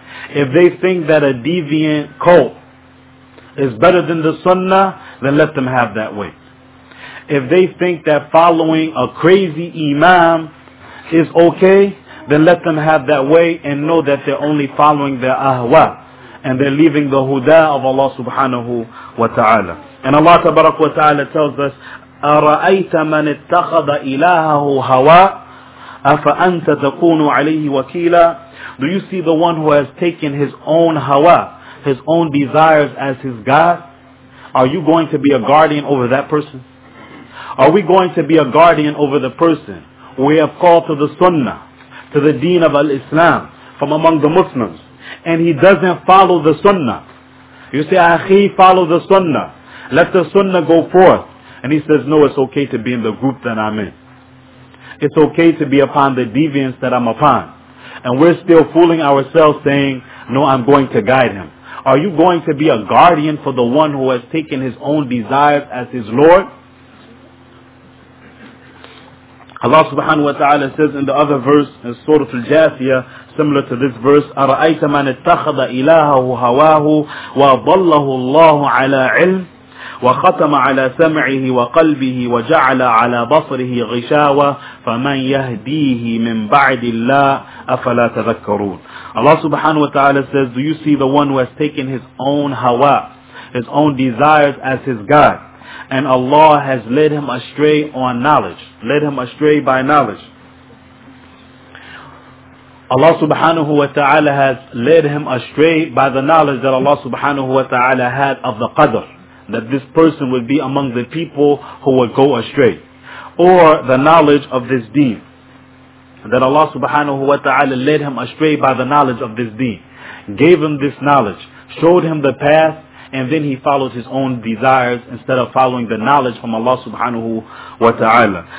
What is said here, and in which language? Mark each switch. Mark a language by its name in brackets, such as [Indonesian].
[English] If they think that a deviant cult is better than the sunnah, then let them have that way. If they think that following a crazy imam is okay, then let them have that way and know that they're only following their ahwa, and they're leaving the huda of Allah subhanahu wa ta'ala. And Allah tabarak wa ta'ala tells us, [Arabic] أَرَأَيْتَ مَنِ اتَّخَذَ إِلَاهَهُ هَوَىٰ أَفَأَنْتَ تَكُونُ عَلَيْهِ وَكِيلًا. [English] Do you see the one who has taken his own hawa, his own desires as his God? Are you going to be a guardian over that person? Are we going to be a guardian over the person we have called to the sunnah, to the deen of al-Islam, from among the Muslims, and he doesn't follow the sunnah? You say, Akhi, follow the sunnah, let the sunnah go forth. And he says, no, it's okay to be in the group that I'm in. It's okay to be upon the deviance that I'm upon. And we're still fooling ourselves saying, no, I'm going to guide him. Are you going to be a guardian for the one who has taken his own desires as his Lord? Allah subhanahu wa ta'ala says in the other verse, in Surah Al-Jathiyah, similar to this verse, [Arabic] أَرَأَيْتَ مَنِ اتَّخَذَ إِلَاهَهُ هَوَاهُ وَضَلَّهُ اللَّهُ عَلَىٰ عِلْمٍ وَخَتَمَ عَلَىٰ سَمْعِهِ وَقَلْبِهِ وَجَعَلَ عَلَىٰ بَصْرِهِ غِشَاوَةً فَمَنْ يَهْدِيهِ مِنْ بَعْدِ اللَّهِ أَفَلَا تَذَكَّرُونَ. [English] Allah subhanahu wa ta'ala says, do you see the one who has taken his own hawa, his own desires as his God, and Allah has led him astray on knowledge, led him astray by knowledge? Allah subhanahu wa ta'ala has led him astray by the knowledge that Allah subhanahu wa ta'ala had of the qadr, that this person would be among the people who would go astray, or the knowledge of this deen, that Allah subhanahu wa ta'ala led him astray by the knowledge of this deen, gave him this knowledge, showed him the path, and then he followed his own desires instead of following the knowledge from Allah subhanahu wa ta'ala.